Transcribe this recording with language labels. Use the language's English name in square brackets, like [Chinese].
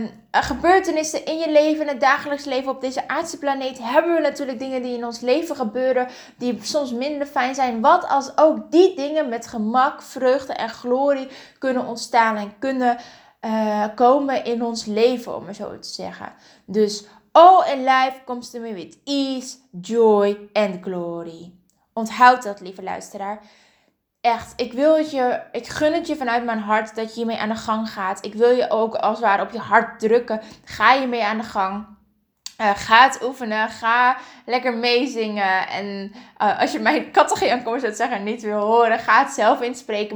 [Dutch] Gebeurtenissen in je leven, in het dagelijks leven op deze aardse planeet, hebben we natuurlijk dingen die in ons leven gebeuren die soms minder fijn zijn. Wat als ook die dingen met gemak, vreugde en glorie kunnen ontstaan en kunnen komen in ons leven, om het zo te zeggen. Dus [English] all in life comes to me with ease, joy and glory. [Dutch] Onthoud dat, lieve luisteraar. Echt, ik gun het je vanuit mijn hart dat je hiermee aan de gang gaat. Ik wil je ook als het ware op je hart drukken. Ga je mee aan de gang. Ga het oefenen. Ga lekker meezingen. En als je mijn categorie aankomst zou zeggen niet wil horen, ga het zelf inspreken.